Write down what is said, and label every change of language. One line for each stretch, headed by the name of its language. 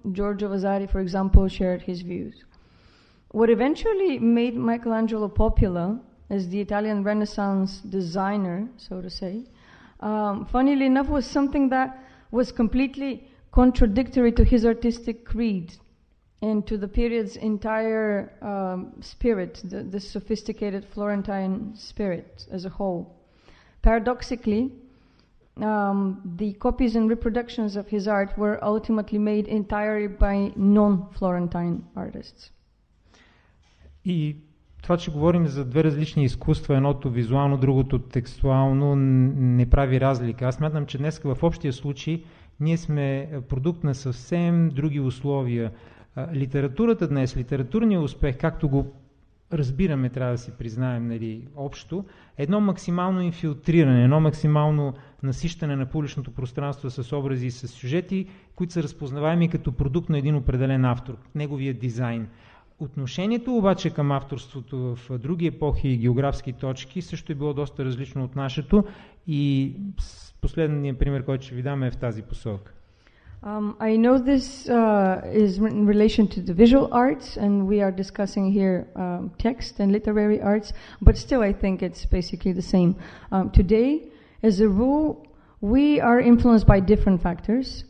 English: Giorgio Vasari, for example, shared his views. What eventually made Michelangelo popular as the Italian Renaissance designer, so to say, funnily enough, was something that was completely contradictory to his artistic creed and to the period's entire spirit, the sophisticated Florentine spirit as a whole. Paradoxically, the copies and reproductions of his art were ultimately made entirely by non-Florentine artists.
Bulgarian: И това, че говорим за две различни изкуства, едното визуално, другото текстуално, не прави разлика. Аз смятам, че днес в общия случай ние сме продукт на съвсем други условия. Литературата днес, литературният успех, както го разбираме, трябва да си признаем, нали, общо, едно максимално инфилтриране, едно максимално насищане на публичното пространство с образи и с сюжети, които са разпознаваеми като продукт на един определен автор, неговия дизайн. Отношението обаче към авторството в други епохи и географски точки също е било доста различно от нашето и последният пример, който ще ви дам, е в тази посока.
English: I know this is in relation to the visual arts, and we are discussing here text and literary arts, but still I think it's basically the same. Today, as a rule, we are influenced by different factors.